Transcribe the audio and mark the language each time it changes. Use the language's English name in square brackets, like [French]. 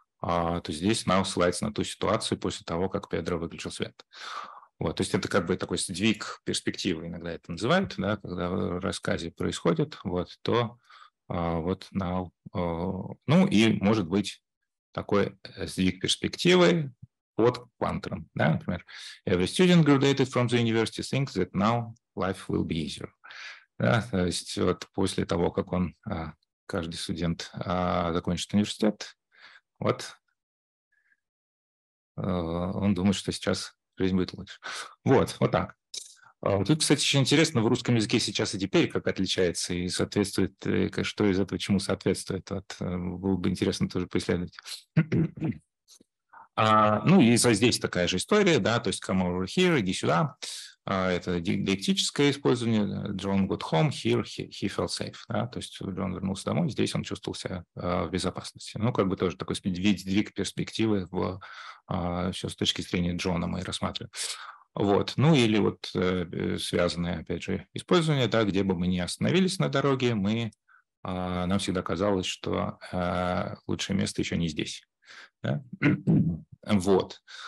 [Russian] То есть здесь now ссылается на ту ситуацию после того, как Педро выключил свет. Вот. То есть это как бы такой сдвиг перспективы, иногда это называют, да? Когда в рассказе происходит, вот, то вот now. Ну и может быть такой сдвиг перспективы под квантером. Да? [English] Например, every student graduated from the university thinks that now life will be easier. [Russian] Да, то есть вот после того, как он, каждый студент закончит университет, вот он думает, что сейчас жизнь будет лучше. Вот, вот так. Тут, кстати, очень интересно, в русском языке сейчас и теперь как отличается, и соответствует, что из этого чему соответствует. Вот, было бы интересно тоже поисследовать. Ну и здесь такая же история, да, то есть [English] come over here, [Russian] иди сюда. Это диалектическое использование. [English] John got home, here he felt safe. [Russian] Да? То есть он вернулся домой, здесь он чувствовал себя в безопасности. Ну, как бы тоже такой сдвиг перспективы в, все с точки зрения Джона мы рассматриваем. Вот. Ну, или вот связанное, опять же, использование, да, где бы мы ни остановились на дороге, мы, нам всегда казалось, что лучшее место еще не здесь. Да? Вот.